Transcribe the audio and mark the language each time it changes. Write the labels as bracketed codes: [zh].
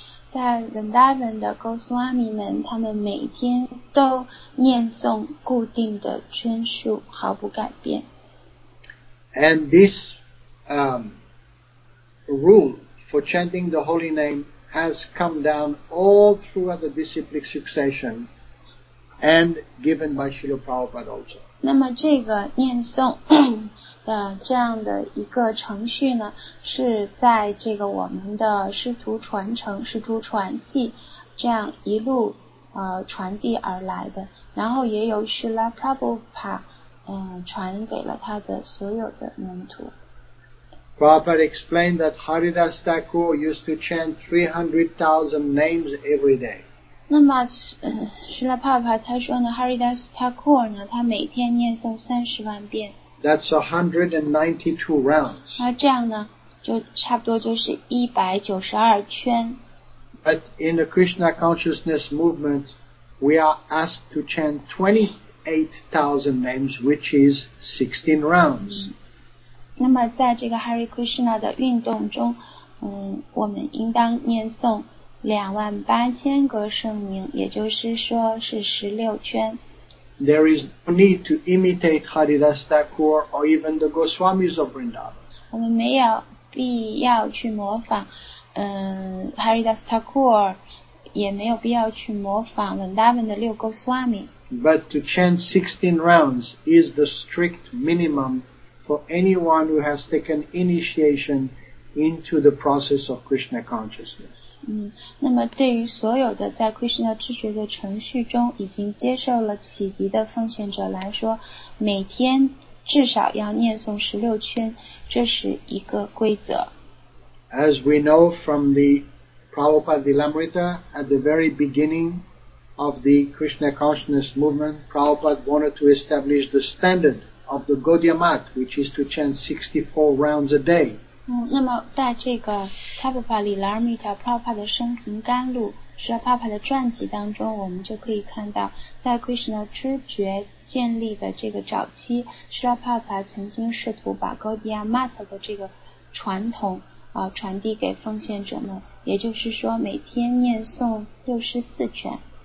[zh] 在 Vrindavan 的 Goswami 们，他们每天都念诵固定的圈数，毫不改变。 [en] And this rule for chanting the holy name has come down all throughout the disciplic succession. And given by Srila Prabhupada also. [zh] 那么这个念诵的这样的一个程序呢，是在这个我们的师徒传承、师徒传系这样一路传递而来的。然后也有 Srila Prabhupada 传给了他的所有的门徒。 [en] Prabhupada explained that Haridas Thakur used to chant 300,000 names every day. [zh] 那么Srila Prabhupada 他说呢， Haridas Thakur 呢，他每天念诵30万遍。 [en] That's 192 rounds. [zh] 那这样呢，就差不多就是192圈。 [en] But in the Krishna consciousness movement, we are asked to chant 28,000 names, which is 16 rounds. [zh] 那么在这个 Hare Krishna 的运动中，我们应当念诵28,000个圣名，也就是说是16圈。 [en] There is no need to imitate Haridas Thakur or even the Goswamis of Vrindavan. [zh] 我们没有必要去模仿，Haridas Thakur， 也没有必要去模仿 Vrindavan 的六 Goswami。 [en] But to chant 16 rounds is the strict minimum for anyone who has taken initiation into the process of Krishna consciousness. [zh] 那么对于所有的在 Krishna 知觉的程序中已经接受了启迪的奉献者来说，每天至少要念诵16圈，这是一个规则。 [en] As we know from the Prabhupada Lilamrita, at the very beginning of the Krishna consciousness movement, Prabhupada wanted to establish the standard of the Gaudiya Math, which is to chant 64 rounds a day. [zh] 那么在这个 Prabhupada Lilamrita Prabhupada 的生平甘露 Srila Prabhupada 的传记当中，我们就可以看到在 Krishna 知觉建立的这个早期， Srila Prabhupada 曾经试图把 Gaudiya Math 的这个传统传递给奉献者们，也就是说每天念诵64圈。